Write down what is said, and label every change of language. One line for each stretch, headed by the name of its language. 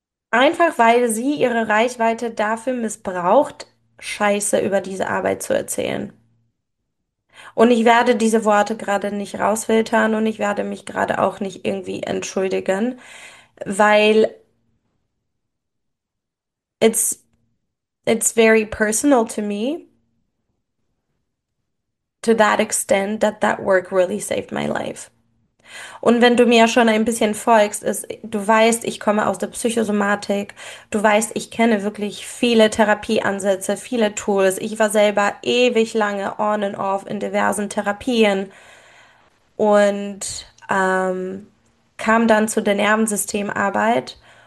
German: Einfach, weil sie ihre Reichweite dafür missbraucht, Scheiße über diese Arbeit zu erzählen. Und ich werde diese Worte gerade nicht rausfiltern und ich werde mich gerade auch nicht irgendwie entschuldigen, weil
English: it's very personal to me. To that extent, that work really saved my life.
German: Und wenn du mir schon ein bisschen folgst, du weißt, ich komme aus der Psychosomatik, du weißt, ich kenne wirklich viele Therapieansätze, viele Tools. Ich war selber ewig lange on and off in diversen Therapien und kam dann zu der Nervensystemarbeit.